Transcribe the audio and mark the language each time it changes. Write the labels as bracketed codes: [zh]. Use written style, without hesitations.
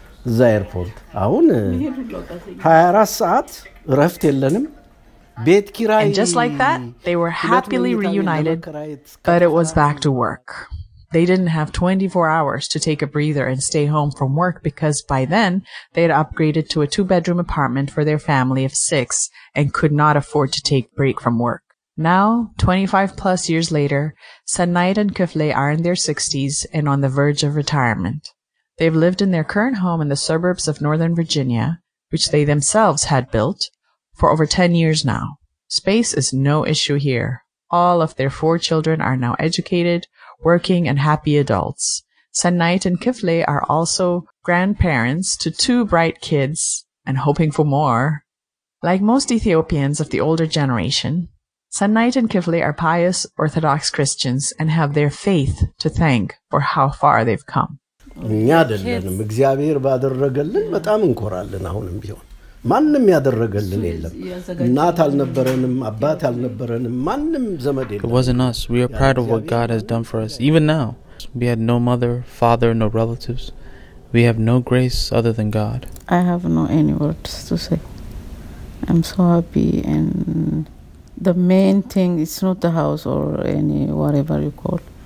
[am] እዛ ኤርፖርት አሁን 24 ሰዓት ረፍት የለንም ቤት ኪራይ [en] And just like that, they were happily reunited, but it was back to work. They didn't have 24 hours to take a breather and stay home from work because by then they had upgraded to a two-bedroom apartment for their family of six and could not afford to take a break from work. Now, 25 plus years later, Sanayit and Kifle are in their 60s and on the verge of retirement. They've lived in their current home in the suburbs of Northern Virginia, which they themselves had built, for over 10 years now. Space is no issue here. All of their four children are now educated, working, and happy adults. Sanayit and Kifle are also grandparents to two bright kids and hoping for more. Like most Ethiopians of the older generation, Sanayit and Kifle are pious Orthodox Christians and have their faith to thank for how far they've come. [am] እኛ አይደለንም እግዚአብሔር ባደረገልን በጣም እንኮራለን አሁንም ቢሆን ማንንም ያደረገልን የለም እናት አልነበረንም አባት አልነበረንም ማንንም ዘመድ የለም [en] It wasn't us. We are proud of what God has done for us. Even now, we had no mother, father, no relatives. We have no grace other than God. I have no any words to say. I'm so happy, and the main thing is not the house or any whatever you call.